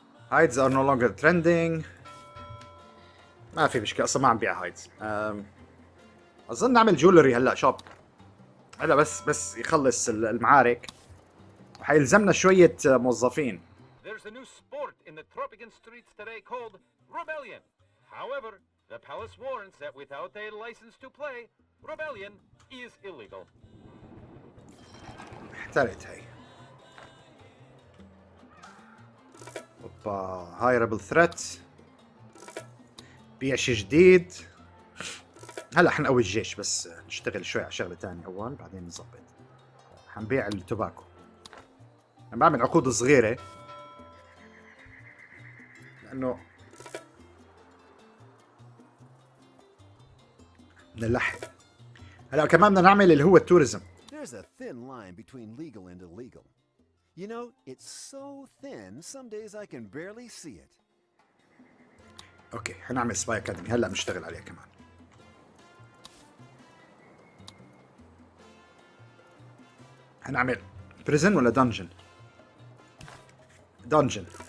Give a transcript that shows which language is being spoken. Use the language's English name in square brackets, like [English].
[English] Hides are no longer trending. [Arabic] ما في مشكلة اصلا ما عم بيع هايدز. اظن نعمل جولري هلا شوب هلا بس يخلص المعارك وحيلزمنا شوية موظفين. [English] There's a new sport in the Tropican streets today called Rebellion. However, the palace warns that without a license to play, Rebellion is illegal. [Arabic] احترقت هاي. اوبا، هايربل ثريت. بيع شي جديد. هلا حنقوي الجيش بس نشتغل شوي على شغلة تانية أول بعدين نظبط. حنبيع التوباكو. عم بعمل عقود صغيرة. انه بدنا نلحق هلا كمان بدنا نعمل اللي هو التوريزم. [English] There's a thin line between legal and illegal. You know, it's so thin, some days I can barely see it. [Arabic] اوكي حنعمل سباي اكاديمي هلا بنشتغل عليها كمان. حنعمل بريزن ولا دنجن؟ دنجن.